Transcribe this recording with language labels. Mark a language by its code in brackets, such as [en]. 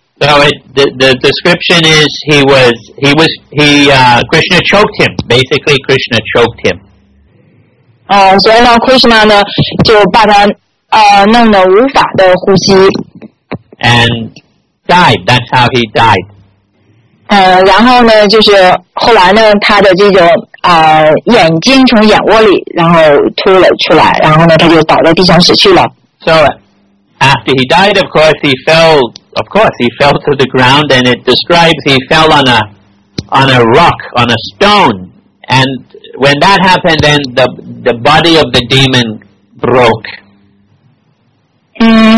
[en] So the description is Krishna choked him. Basically, Krishna choked him. [zh] 所以呢 ，Krishna 呢就把他弄得无法的呼吸。 [en] And died. That's how he died. [zh] 然后呢就是后来呢他的这种眼睛从眼窝里然后凸了出来，然后呢他就倒在地上死去了。 [en] So after he died, of course he fell, of course he fell to the ground, and it describes he fell on a rock, on a stone, and when that happened then the body of the demon broke.